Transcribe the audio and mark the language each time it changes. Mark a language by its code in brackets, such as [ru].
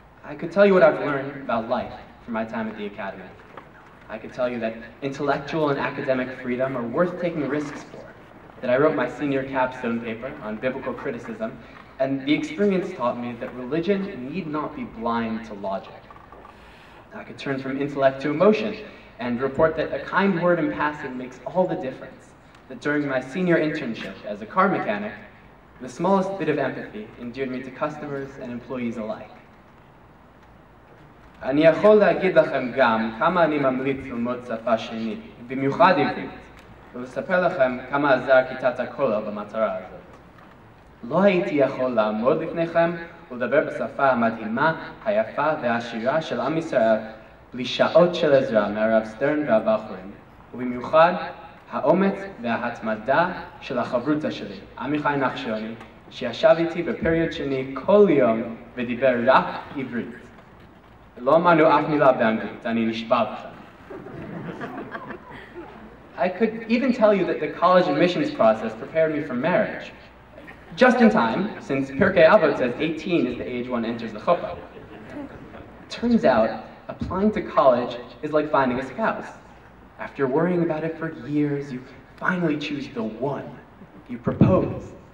[en] I could tell you what I've learned about life from my time at the academy. I could tell you that intellectual and academic freedom are worth taking risks for, that I wrote my senior capstone paper on biblical criticism, and the experience taught me that religion need not be blind to logic. I could turn from intellect to emotion and report that a kind word in passing makes all the difference, that during my senior internship as a car mechanic, the smallest bit of empathy endeared me to customers and employees alike. [he] אני יכול להגיד לכם גם כמה אני ממליץ ללמוד שפה שני, במיוחד עברית, ולספר לכם כמה עזר כיתת הקולה במטרה הזאת. לא הייתי יכול לעמוד לפניכם ולדבר בשפה המדהימה, היפה והעשירה של עם ישראל בלי שעות של עזרה מהרב סטרן והבחורים, ובמיוחד האומץ וההתמדה של החברותה שלי, עמיחי נחשוני, שישב איתי בפריוד שני כל יום ודיבר רק עברית. לא אמרנו אף מילה באנגלית, אני נשבע בכם. [en] I could even tell you that the college admissions process prepared me for marriage. Just in time, since Pirkei Avot says 18 is the age one enters the chuppah. Turns out, applying to college is like finding a spouse. After worrying about it for years, you finally choose the one. You propose.